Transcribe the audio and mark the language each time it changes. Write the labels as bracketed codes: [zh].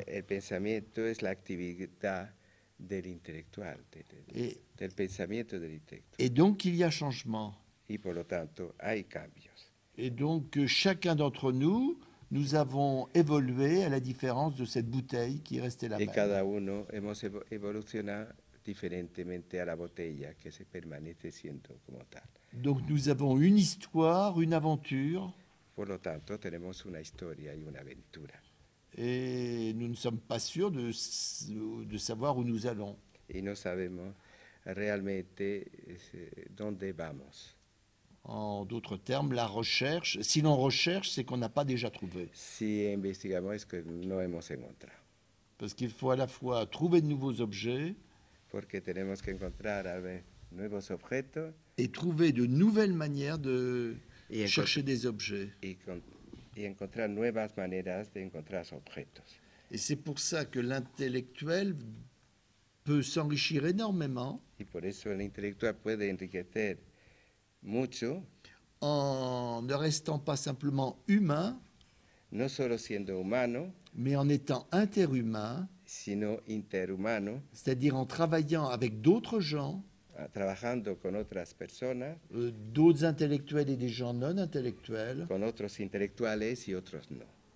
[es] El pensamiento es la actividad del intelectual, del pensamiento del intelectual. [fr] Et donc, il y a changement. [es] Y por lo tanto, hay cambios. [fr] Et donc, chacun d'entre nous, nous avons évolué à la différence de cette bouteille qui restait la [es] même. Y cada uno hemos evolucionado diferentemente a la botella que se permanece siendo como tal. [fr] Donc nous avons une histoire, une aventure. [es] Por lo tanto, tenemos una historia y una aventura. [fr] Et nous ne sommes pas sûrs de savoir où nous allons. [es] Y no sabemos realmente dónde vamos. [fr] En d'autres termes, la recherche, si l'on recherche, c'est qu'on n'a pas déjà trouvé. [es] Si investigamos es que no hemos encontrado. [fr] Parce qu'il faut à la fois trouver de nouveaux objets. [es] Porque tenemos que encontrar a ver, nuevos objetos. [fr] Et trouver de nouvelles manières de chercher des objets. [es] Y encontrar nuevas maneras de encontrar objetos. [fr] Et c'est pour ça que l'intellectuel peut s'enrichir énormément. [es] Y por eso el intelectual puede enriquecer mucho. [fr] En ne restant pas simplement humain. [es] No solo siendo humano. [fr] Mais en étant interhumain. [es] Sino interhumano. [fr] C'est-à-dire en travaillant avec d'autres gens. [es] Trabajando con otras personas. [fr] D'autres intellectuels et des gens non intellectuels. [es] Con otros intelectuales y otros no.